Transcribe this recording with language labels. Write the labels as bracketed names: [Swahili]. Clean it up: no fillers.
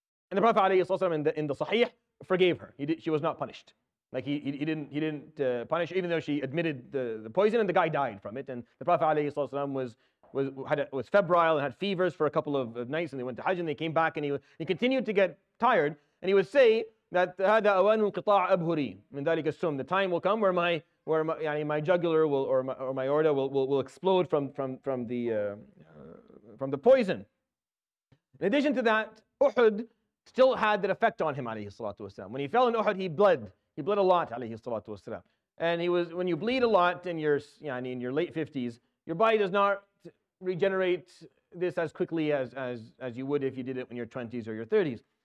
[English] And the Prophet alayhi salam in the sahih forgave her. She was not punished. Like he didn't punish her, even though she admitted the poison, and the guy died from it. And the Prophet alayhi salam was febrile and had fevers for a couple of nights, and they went to Hajj, and they came back, and he continued to get tired, and he would say, that [Arabic] هذا أوان انقطاع أبهري من ذلك السم. [English] The time will come where my jugular will or my aorta will explode from the poison. In addition to that, Uhud still had that effect on him, [Arabic] عليه الصلاة والسلام. [English] When he fell in Uhud, he bled a lot, [Arabic] عليه الصلاة والسلام. [English] And he was, when you bleed a lot in your late 50s, your body does not regenerate this as quickly as you would if you did it when you're 20s or your 30s.